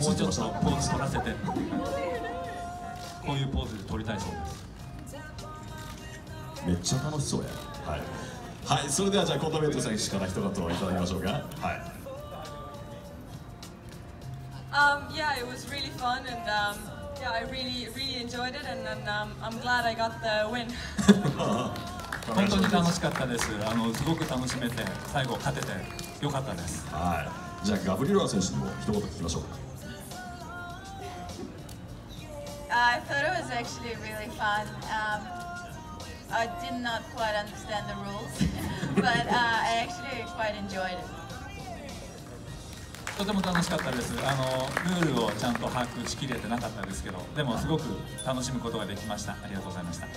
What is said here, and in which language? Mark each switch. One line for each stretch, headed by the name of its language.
Japanese: もうちょっとポーズ撮らせて。こういうポーズで撮りたいそうです。めっちゃ楽しそうや。はい、はい、それではじゃあコートメイト選手から一言いただきましょうか。はい、
English: yeah, it was really fun and yeah, I really, really enjoyed it and then I'm glad I got the win.
Japanese: 本当に楽しかったです。すごく楽しめて、最後勝ててよかったです。はい、じゃあガブリロワ選手にも一言聞きましょうか。
English: I thought it was actually really fun. I did not quite understand the rules, but I actually quite enjoyed it.
Japanese: とても楽しかったです。ルールをちゃんと把握しきれてなかったんですけど、でもすごく楽しむことができました。ありがとうございました。